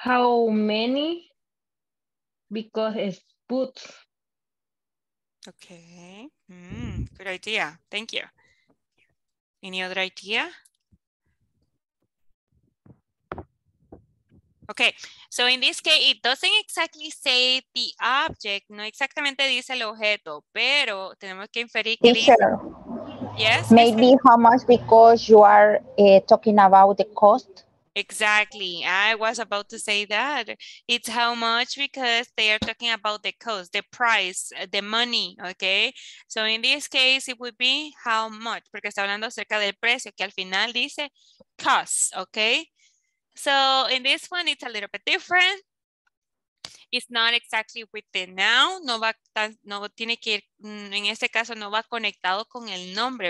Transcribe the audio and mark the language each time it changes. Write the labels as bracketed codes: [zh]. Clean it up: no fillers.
[en] How many? Because it's boots. Okay. Good idea. Thank you. Any other idea? Okay. So in this case, it doesn't exactly say the object. [es] No exactamente dice el objeto, pero tenemos que inferir que dice. [en] Yes. Maybe how much because you are talking about the cost. Exactly. I was about to say that. It's how much because they are talking about the cost, the price, the money, okay? So in this case, it would be how much, [es] porque está hablando acerca del precio, que al final dice cost, [en] okay? So in this one, it's a little bit different. It's not exactly with the noun. [es] No va, no tiene que ir, en este caso, no va conectado con el nombre.